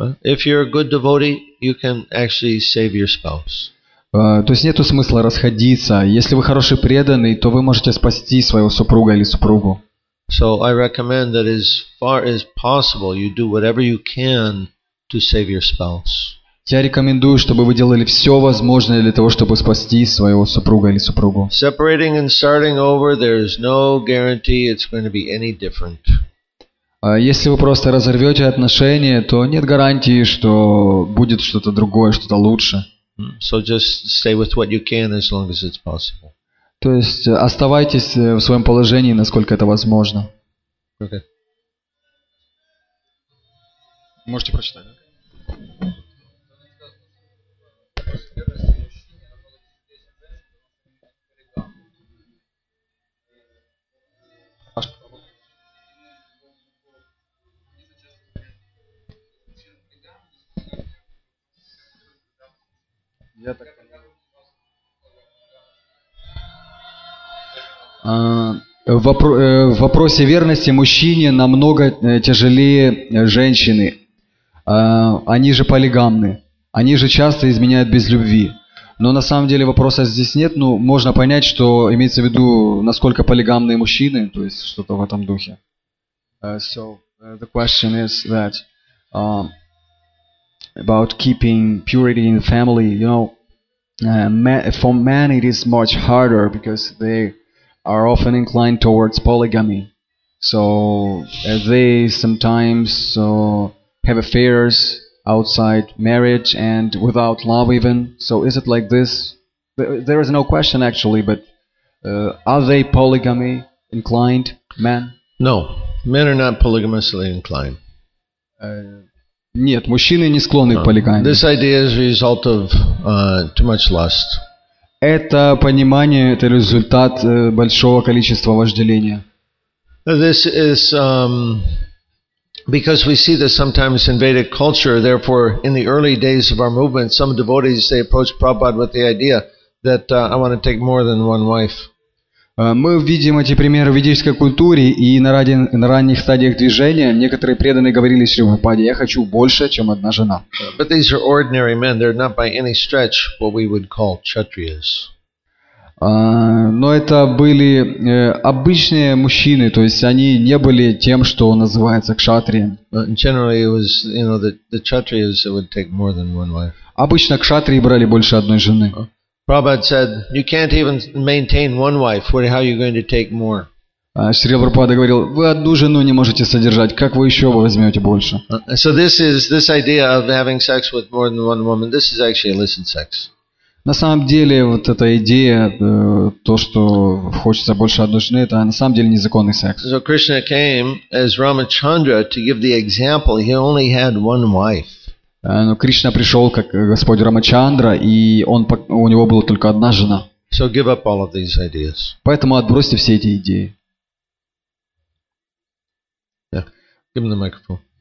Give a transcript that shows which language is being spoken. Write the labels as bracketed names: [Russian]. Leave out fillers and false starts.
[English] If you're a good devotee, you can actually save your spouse. [Russian] То есть нету смысла расходиться. Если вы хороший преданный, то вы можете спасти своего супруга или супругу. [English] So I recommend that as far as possible, you do whatever you can to save your spouse. [Russian] Я рекомендую, чтобы вы делали все возможное для того, чтобы спасти своего супруга или супругу. [English] Separating and starting over, there's no guarantee it's going to be any different. [Russian] Если вы просто разорвете отношения, то нет гарантии, что будет что-то другое, что-то лучше. [English] So just stay with what you can as long as it's possible. [Russian] То есть оставайтесь в своем положении, насколько это возможно. [English] Okay. [Russian] Можете прочитать. В вопросе верности мужчине намного тяжелее женщины. Они же полигамны. Они же часто изменяют без любви. Но на самом деле вопроса здесь нет. Ну, можно понять, что имеется в виду, насколько полигамные мужчины, то есть что-то в этом духе. [English] So the question is that about keeping purity in the family, you know. For men, it is much harder because they are often inclined towards polygamy. So they sometimes have affairs outside marriage and without love even. So is it like this? There is no question actually, but are they polygamy inclined men? No, men are not polygamously inclined. [Russian] Нет, мужчины не склонны к полигамии. [English] This idea is a result of too much lust. [Russian] Это понимание, это результат большого количества вожделения. [English] This is because we see this sometimes in Vedic culture. Therefore, in the early days of our movement, some devotees they approached Prabhupada with the idea that I want to take more than one wife. [Russian] Мы видим эти примеры в ведической культуре, и на ранних стадиях движения некоторые преданные говорили Шри Прабхупаде: «Я хочу больше, чем одна жена». [English] But these are ordinary men. They're not by any stretch what we would call kshatriyas. [Russian] Но это были обычные мужчины, то есть они не были тем, что называется кшатрием. [English] Generally, it was, you know, the kshatriyas that would take more than one wife. [Russian] Обычно кшатрии брали больше одной жены. [English] Prabhupada said, "You can't even maintain one wife. What? How are you going to take more?" [Russian] Шрила Прабхупада говорил: "Вы одну жену не можете содержать. Как вы еще возьмете больше?" [English] So this idea of having sex with more than one woman. This is actually illicit sex. [Russian] На самом деле, вот эта идея, то, что хочется больше одной жены, это на самом деле незаконный секс. [English] So Krishna came as Ramachandra to give the example. He only had one wife. [Russian] Но Кришна пришел как Господь Рамачандра, и у него была только одна жена. [English] So give up all of these ideas. [Russian] Поэтому отбросьте все эти идеи. [English] Yeah. Give him the microphone.